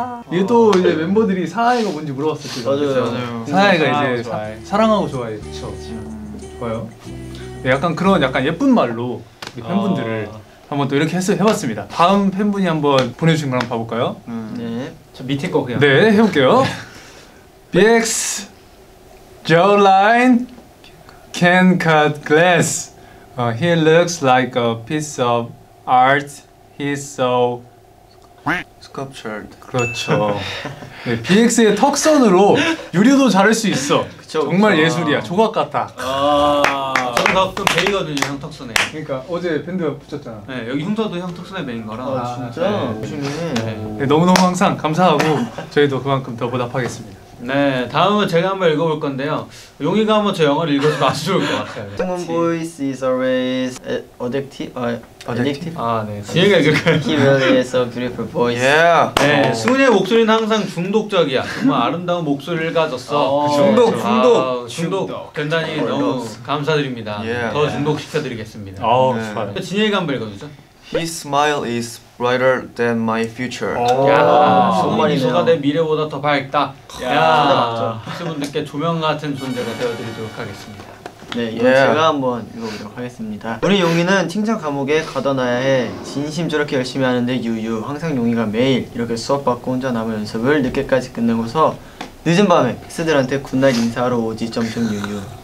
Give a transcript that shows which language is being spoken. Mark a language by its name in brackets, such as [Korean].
[Korean] 이게 또 이제 멤버들이 사해가 뭔지 물어봤었죠. 맞아요. 맞아요. 사해가 이제 좋아해. 사랑하고 좋아해. 그렇죠. 좋아요. 네, 약간 그런 약간 예쁜 말로 우리 팬분들을 한번 또 이렇게 해봤습니다. 다음 팬분이 한번 보내주신 걸 한번 봐볼까요? 네, 저 밑에 거 그냥. 네, 해볼게요. [English] BX jawline can cut glass. He looks like a piece of art. He's so sculptured. [Korean] 그렇죠. 네, BX의 턱선으로 유리도 자를 수 있어. 그쵸, 정말 와. 예술이야. 조각 같다. 형 베이거든요, 형 턱선에. 그러니까 어제 밴드 붙였잖아. 네, 여기 형사도 형 턱선에 베인 거라. 아, 진짜? 보시네. 네. 네, 너무너무 항상 감사하고 저희도 그만큼 더 보답하겠습니다. 네, 다음은 제가 한번 읽어볼 건데요. 용이가 한번 저 영어를 읽어주면 아주 좋을 것 같아요. [English] Human voice is always addictive. Addictive? [Korean] 아, 네. 지혜가 읽을까요? [English] He really is a beautiful voice. Yeah. [Korean] 네, 승훈이의 목소리는 항상 중독적이야. 정말 아름다운 목소리를 가졌어. 중독, 중독. 중독. 굉장히 너무 감사드립니다. [English] Yeah. [Korean] 더 중독시켜드리겠습니다. 아, 좋아요. 지혜가 한번 읽어주죠. [English] His smile is brighter than my future. [Korean] 야, 정말 미소가 내 미래보다 더 밝다. 야, 학생분들께 조명 같은 존재가 되어드리도록 하겠습니다. 네, 이건 yeah. 제가 한번 읽어보도록 하겠습니다. 우리 용이는 칭찬 감옥에 가둬놔야 해. 진심 저렇게 열심히 하는데 유유. 항상 용이가 매일 이렇게 수업 받고 혼자 남은 연습을 늦게까지 끝내고서 늦은 밤에 픽스들한테 굿나잇 인사하러 오지. 점점 유유.